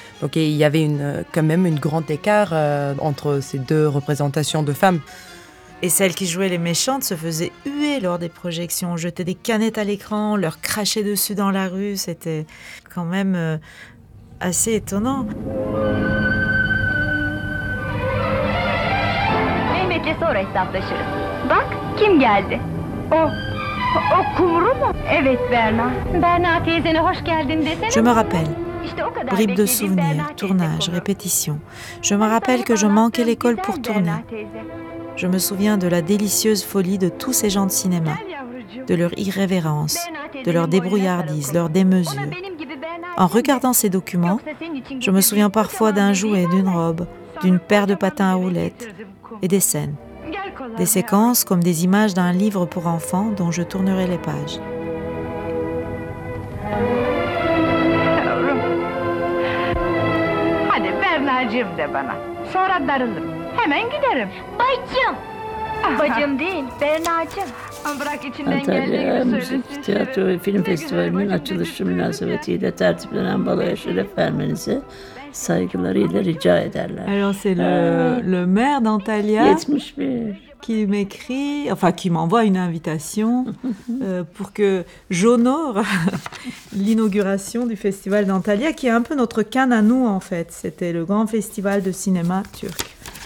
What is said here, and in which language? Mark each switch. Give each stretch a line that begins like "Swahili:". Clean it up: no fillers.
French: Donc il y avait quand même une grande écart entre ces deux représentations de femmes. Et celles qui jouaient les méchantes se faisaient huer lors des projections, jetaient des canettes à l'écran, leur crachaient dessus dans la rue. C'était quand même assez étonnant.
Turkish: Mehmet'le sonra hesaplaşırız. Bak, kim geldi? O kumru mu? Evet Berna. Berna teyzene hoş geldin desene.
French: Je me rappelle. Bribes de souvenirs, tournage, répétition. Je me rappelle que je manquais l'école pour tourner. Je me souviens de la délicieuse folie de tous ces gens de cinéma, de leur irrévérence, de leur débrouillardise, leur démesure. En regardant ces documents, je me souviens parfois d'un jouet, d'une robe, d'une paire de patins à roulettes et des scènes. Des séquences comme des images d'un livre pour enfants dont je tournerai les pages.
Turkish: Hadi Bernacığım de bana. Sonra darılırım. Hemen giderim. Bacım. Bacım değil, Bernacığım. Antalya Müzik Tiyatro ve Film Festivali'nin açılışı münasebetiyle tertiplenen baloya şeref vermenizi saygılarıyla rica ederler.
French: Alors c'est le maire d'Antalya qui m'écrit, enfin qui m'envoie une invitation pour que j'honore l'inauguration du festival d'Antalya, qui est un peu notre Cannes à nous en fait. C'était le grand festival de cinéma turc.